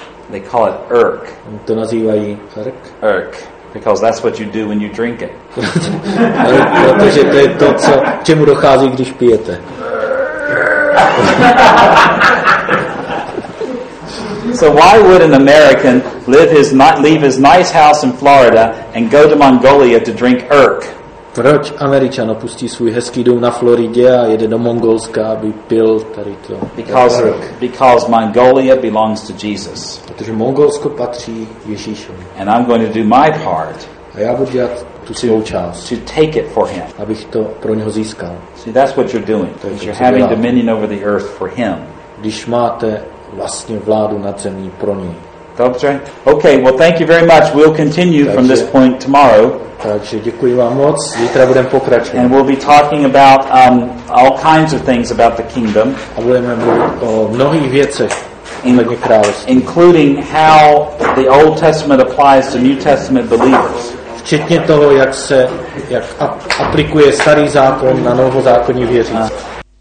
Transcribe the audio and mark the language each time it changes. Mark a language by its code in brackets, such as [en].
[en] They call it irk. [cs] To nazývají irk. [en] Irk. Because that's what you do when you drink it. [cs] Protože to je to, co, čemu dochází, když pijete. [en] So why would an American leave his nice house in Florida and go to Mongolia to drink irk? [cs] Proč Američan opustí svůj hezký dům na Floridě a jede do Mongolska, aby pil tady to? [en] Because Mongolia belongs to Jesus. [cs] Protože Mongolsko patří Ježíšovi. [en] And I'm going to do my part. [cs] A já budu dělat tu svou část. [en] To take it for him. [cs] Abych to pro něho získal. [en] See, that's what you're doing. You're having dominion over the earth for him. [cs] Když máte vlastně vládu nad zemí pro něj. Dobře. [en] Okay, well thank you very much. We'll continue from this point tomorrow. [cs] Takže děkuji vám moc. Zítra budeme pokračovat. [en] And we'll be talking about all kinds of things about the kingdom. [cs] A budeme mluvit o mnohých věcech. [en] Including how the Old Testament applies to New Testament believers. [cs] Včetně toho, jak aplikuje starý zákon na novozákonní věřící.